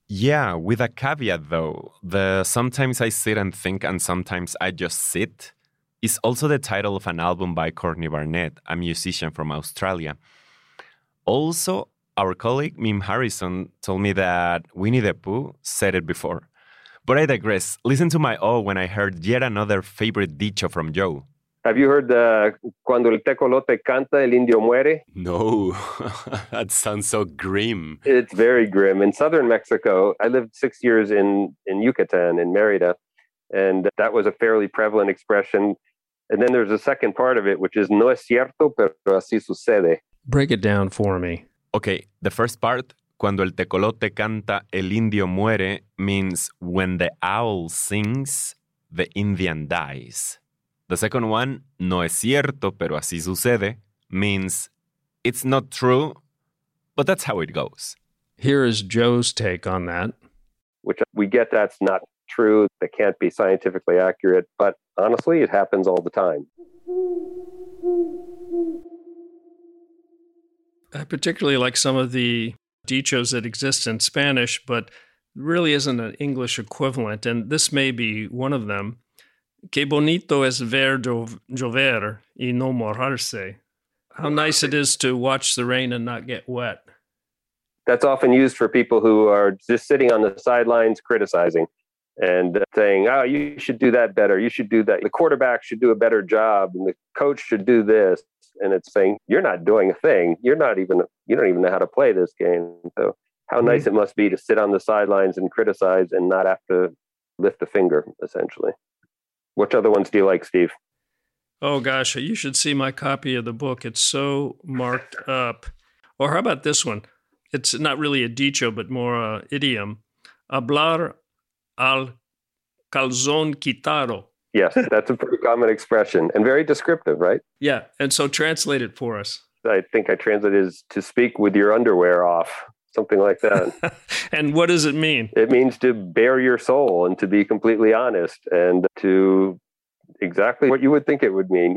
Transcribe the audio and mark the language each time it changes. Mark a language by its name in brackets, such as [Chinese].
[English] Yeah, with a caveat though, the sometimes I sit and think and sometimes I just sit is also the title of an album by Courtney Barnett, a musician from Australia. Also, our colleague Mim Harrison told me that Winnie the Pooh said it before. But I digress. Listen to my awe when I heard yet another favorite dicho from Joe. Have you heard [Spanish] cuando el tecolote canta, el indio muere? [English] No, that sounds so grim. It's very grim. In southern Mexico, I lived 6 years in Yucatan, in Merida, and that was a fairly prevalent expression. And then there's a second part of it, which is [Spanish] no es cierto, pero así sucede. [English] Break it down for me. Okay, the first part, [Spanish] cuando el tecolote canta, el indio muere, [English] means when the owl sings, the Indian dies. The second one, [Spanish] no es cierto, pero así sucede, [English] means it's not true, but that's how it goes. Here is Joe's take on that. Which we get that's not true, that can't be scientifically accurate, but honestly, it happens all the time. I particularly like some of the dichos that exist in Spanish, but really isn't an English equivalent, and this may be one of them. [Spanish] Que bonito es ver llover y no mojarse. [English] How nice it is to watch the rain and not get wet. That's often used for people who are just sitting on the sidelines criticizing and saying, oh, you should do that better. You should do that. The quarterback should do a better job and the coach should do this. And it's saying, you're not doing a thing. You don't even know how to play this game. So how nice it must be to sit on the sidelines and criticize and not have to lift a finger, essentially. Which other ones do you like, Steve? Oh, gosh, you should see my copy of the book. It's so marked up. Or how about this one? It's not really a dicho, but more an idiom. [Spanish] Hablar al calzón quitado. [English] Yes, that's a pretty common expression and very descriptive, right? Yeah, and so translate it for us. I think I translate it as to speak with your underwear off, something like that. And what does it mean? It means to bare your soul and to be completely honest and to exactly what you would think it would mean.